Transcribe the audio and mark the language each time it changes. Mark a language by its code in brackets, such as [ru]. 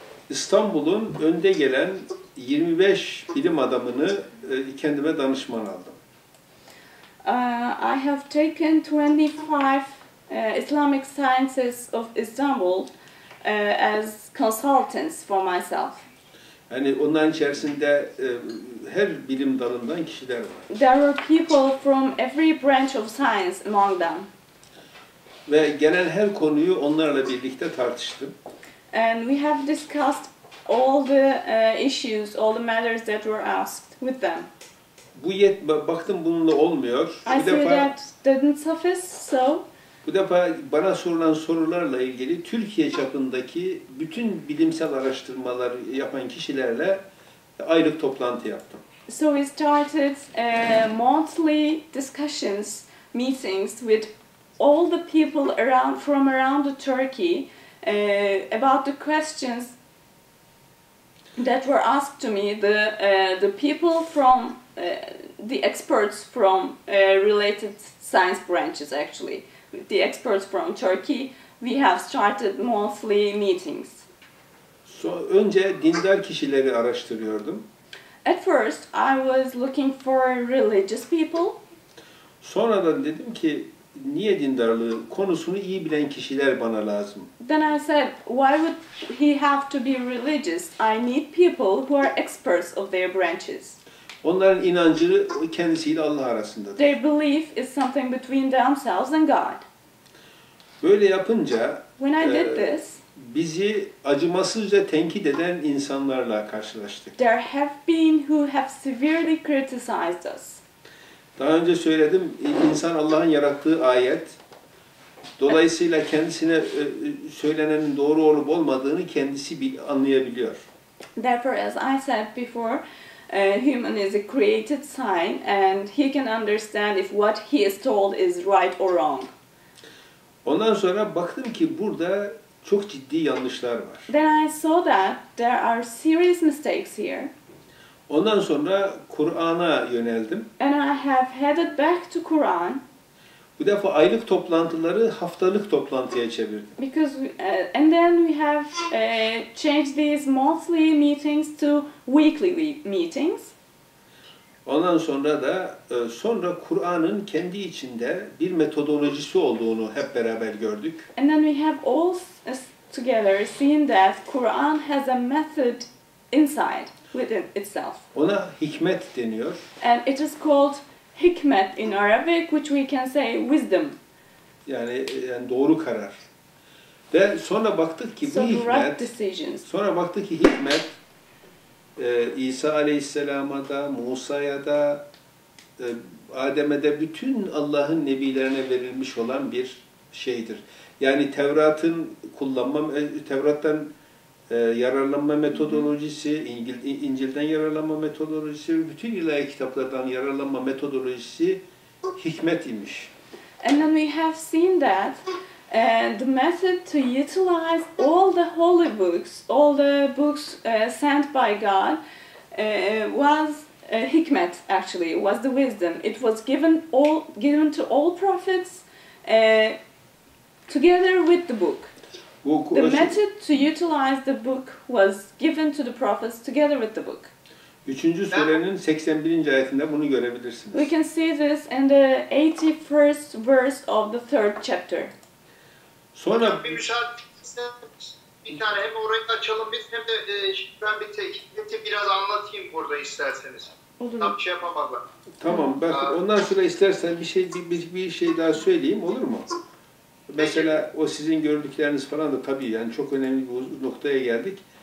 [tr] İstanbul'un önde gelen 25 bilim adamını kendime danışman aldım. [en] I have taken 25 Islamic sciences of Istanbul as consultants for myself. [tr] Yani onların içerisinde her bilim dalından kişiler var. [en] There were people from every branch of science among them. [tr] Ve genel her konuyu onlarla birlikte tartıştım. [en] And we have discussed all the issues, all the matters that were asked with them. [tr] Bu yet, baktım bununla olmuyor. [en] I see that didn't suffice, so. [tr] Bu defa bana sorulan sorularla ilgili Türkiye çapındaki bütün bilimsel araştırmalar yapan kişilerle aylık toplantı yaptım. [en] So we started monthly discussions, meetings with all the people around from around the Turkey about the questions that were asked to me, the people from the experts from related science branches, actually the experts from Turkey, we have started monthly meetings. [tr] So önce dindar kişileri araştırıyordum. [en] At first I was looking for religious people. [tr] Sonradan dedim ki niye dindarlığı konusunu iyi bilen kişiler bana lazım. [en] Then I said, why would he have to be religious? I need people who are experts of their branches. [tr] Onların inancı kendisiyle Allah arasındadır. [en] Their belief is something between themselves and God. [tr] Böyle yapınca, [en] when I did this, [tr] bizi acımasızca tenkit eden insanlarla karşılaştık. [en] There have been who have severely criticized us. [tr] Daha önce söyledim, insan Allah'ın yarattığı ayet. Dolayısıyla kendisine söylenenin doğru olup olmadığını kendisi anlayabiliyor. [en] Therefore, as I said before, human is a created sign and he can understand if what he is told is right or wrong. [tr] Ondan sonra baktım ki burada çok ciddi yanlışlar var. [en] Then I saw that there are serious mistakes here. [tr] Ondan sonra Kur'an'a yöneldim. [en] And I have headed back to Quran. [tr] Bu defa aylık toplantıları haftalık toplantıya çevirdim. [en] Because and then we have changed these monthly meetings to weekly meetings. [tr] Ondan sonra da sonra Kur'an'ın kendi içinde bir metodolojisi olduğunu hep beraber gördük. [en] And then we have all together seen that Quran has a method inside within itself. [tr] Ona hikmet deniyor. [en] And it is called hikmet in Arabic, which we can say wisdom. [tr] Yani doğru karar. Ve sonra baktık ki bu hikmet. [en] Right decisions. [tr] Sonra baktık ki hikmet. İsa Aleyhisselam'a da, Musa'ya da, Adem'e de bütün Allah'ın nebilerine verilmiş olan bir şeydir. Yani Tevrat'ın kullanma, Tevrat'tan yararlanma metodolojisi, İncil'den yararlanma metodolojisi ve bütün ilahi kitaplardan yararlanma metodolojisi hikmet imiş. [en] And then we have seen that the method to utilize all the holy books, all the books sent by God, was hikmet. Actually, was the wisdom. It was given to all prophets, together with the book. The method to utilize the book was given to the prophets together with the book. [tr] 3. surenin 81. ayetinde bunu görebilirsiniz. [en] We can see this in the 81st verse of the 3rd chapter. [tr] Sonra bir müsaade bir tane hem orayı açalım biz hem de ben bir tekniği biraz anlatayım burada isterseniz. Olur. Tam şey yapamadım. Tamam, ben ondan sonra istersen bir şey daha söyleyeyim, olur mu? Mesela o sizin gördükleriniz falan da tabii yani çok önemli bir noktaya geldik.